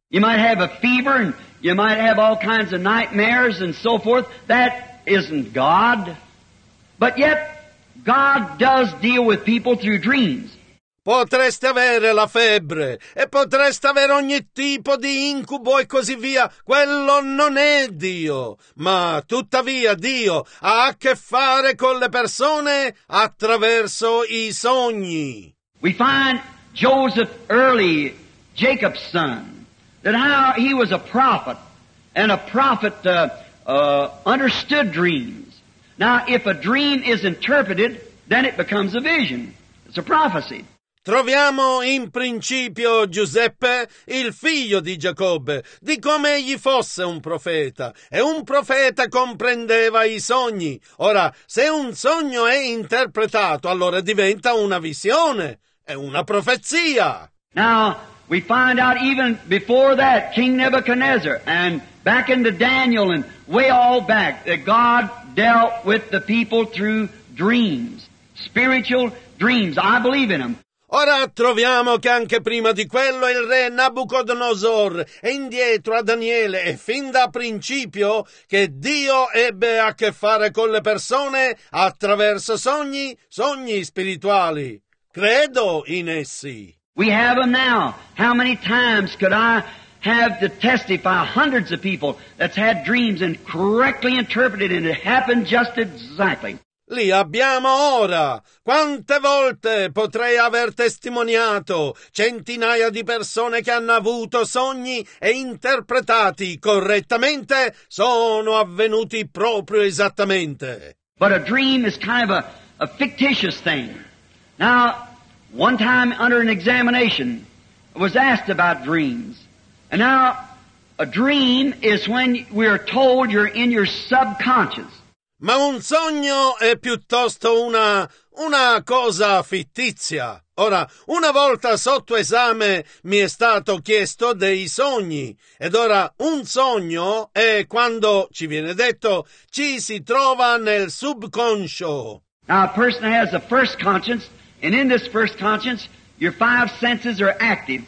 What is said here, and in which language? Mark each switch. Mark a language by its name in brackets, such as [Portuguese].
[English] You might have a fever and you might have all kinds of nightmares and so forth. That isn't God. But yet, God does deal with people through dreams. [Italian] Potreste avere la febbre e potreste avere ogni tipo di incubo e così via. Quello non è Dio, ma tuttavia Dio ha a che fare con le persone attraverso i sogni. [English] We find Joseph early, Jacob's son, that how he was a prophet, and a prophet understood dreams. Now, if a dream is interpreted, then it becomes a vision. It's a prophecy. [Italian] Troviamo in principio Giuseppe, il figlio di Giacobbe, di come egli fosse un profeta, e un profeta comprendeva i sogni. Ora, se un sogno è interpretato, allora diventa una visione, è una profezia. [English] Now, we find out even before that, King Nebuchadnezzar, and back into Daniel, and way all back, that God dealt with the people through dreams, spiritual dreams. I believe in them. [Italian] Ora troviamo che anche prima di quello il re Nabucodonosor è indietro a Daniele e fin da principio che Dio ebbe a che fare con le persone attraverso sogni, sogni spirituali. Credo in essi. [English] We have them now. How many times could I have to testify hundreds of people that's had dreams and correctly interpreted and it happened just exactly? [Italian] Li abbiamo ora. Quante volte potrei aver testimoniato centinaia di persone che hanno avuto sogni e interpretati correttamente sono avvenuti proprio esattamente. [English] But a dream is kind of a fictitious thing. Now, one time under an examination, I was asked about dreams. And now, a dream is when we are told you're in your subconscious. [Italian] Ma un sogno è piuttosto una cosa fittizia. Ora, una volta sotto esame mi è stato chiesto dei sogni. Ed ora, un sogno è quando, ci viene detto, ci si trova nel subconscio. [English] Now, a person has a first conscience, and in this first conscience, your five senses are active.